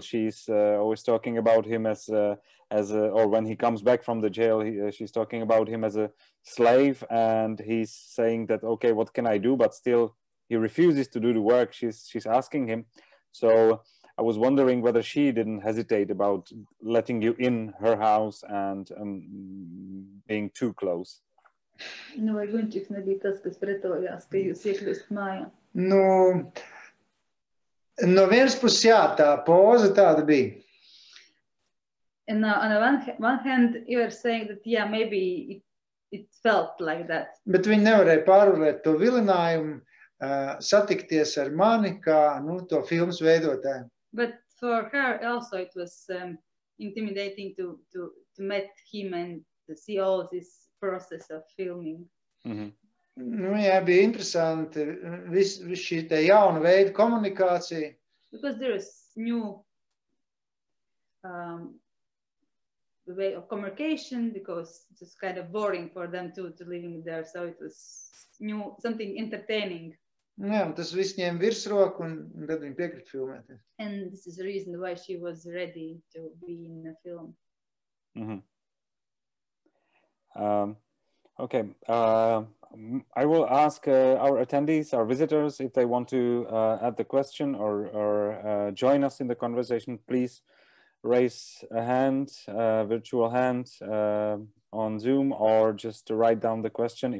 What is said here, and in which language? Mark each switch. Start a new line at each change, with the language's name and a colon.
English: She's always talking about him or when he comes back from the jail, she's talking about him as a slave, and he's saying that okay, what can I do? But still, he refuses to do the work she's asking him. So I was wondering whether she didn't hesitate about letting you in her house and being too close.
Latvian: Nu, vai Gunčiks nebija tas, kas pretojās, ka jūs iekļūst mājā? Nu, no vienas puses jā, tā poza tāda bija.
English: And on the one hand, you are saying that, yeah, maybe it felt like that.
Latvian: Bet viņi nevarēja pārvarēt to vilinājumu, satikties ar mani, kā, nu, to filmas veidotāju.
English: But for her also it was intimidating to meet him and to see all these process of filming.
Latvian: Nu, jā, bija interesanti viss šī te jauna veida komunikācija.
English: Because there is new way of communication, because it was kind of boring for them to living there, so it was new, something entertaining.
Latvian: Jā, un tas viss ņēma virsroku, un tad viņa piekrita filmēties.
English: And this is the reason why she was ready to be in the film. Okay, I will ask our attendees, our visitors, if they want to add the question or join us in the conversation, please raise a hand, a virtual hand on Zoom, or just to write down the question.